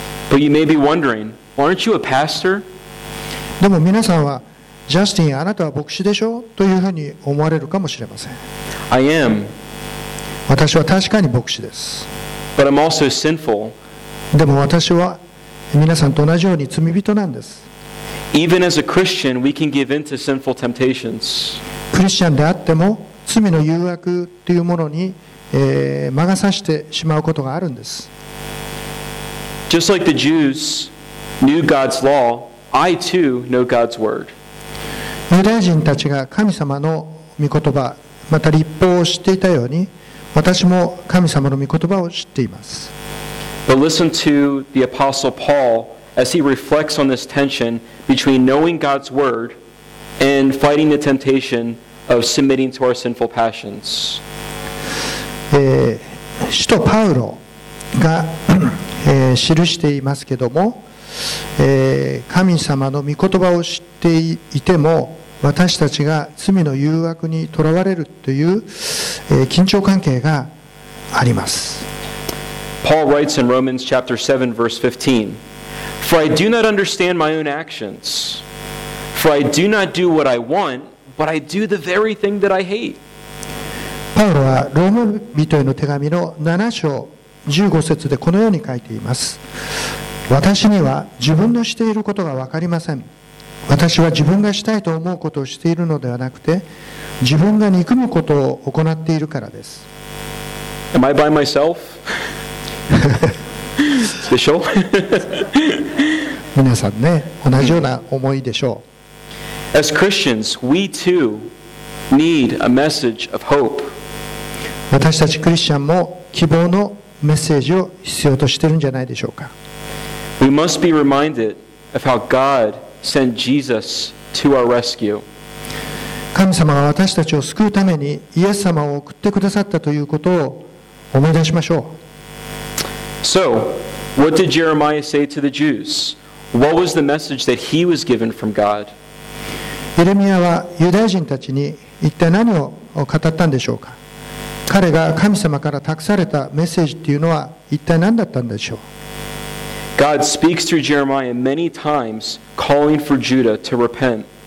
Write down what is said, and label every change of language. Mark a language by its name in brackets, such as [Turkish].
[English] But you may be wondering, aren't you a pastor? [Japanese] でも皆さんは、ジャスティン、あなたは牧師でしょというふうに思われるかもしれません。 [English] I am. [Japanese] 私は確かに牧師です。 [English] But I'm also sinful. [Japanese] でも私は皆さんと同じように罪人なんです。 [English] Even as a Christian, we can give in to sinful temptations. [Japanese] クリスチャンであっても罪の誘惑というものに、魔が差してしまうことがあるんです。 [English] Just like the Jews knew God's law, I too know God's word. [Japanese] ユダヤ人たちが神様の御言葉、また律法を知っていたように、私も神様の御言葉を知っています。 [English] But listen to the Apostle Paul as he reflects on this tension between knowing God's word and fighting the temptation of submitting to our sinful passions. [Japanese] 使徒パウロが記していますけども、神様の御言葉を知っていても、私たちが罪の誘惑にとらわれるという、緊張関係があります。 [English] Paul writes in Romans chapter 7, verse 15, For I do not understand my own actions. For I do not do what I want, but I do the very thing that I hate. [Japanese] パウロはローマ人への手紙の7章15節でこのように書いています。私には自分のしていることが分かりません。私は自分がしたいと思うことをしているのではなくて、自分が憎むことを行っているからです。 [English] Am I by myself? [Japanese] でしょ皆さんね、同じような思いでしょう。 [English] As Christians, we too need a message of hope. [Japanese] 私たちクリスチャンも希望のメッセージを必要としているんじゃないでしょうか。 [English] We must be reminded of how God sent Jesus to our rescue. [Japanese] 神様が私たちを救うためにイエス様を送ってくださったということを思い出しましょう。 [English] So, what did Jeremiah say to the Jews? What was the message that he was given from God? [Japanese] エレミアはユダヤ人たちに一体何を語ったんでしょうか。彼が神様から託されたメッセージというのは一体何だったんでしょう。 [English] God speaks through Jeremiah many times, calling for Judah to repent.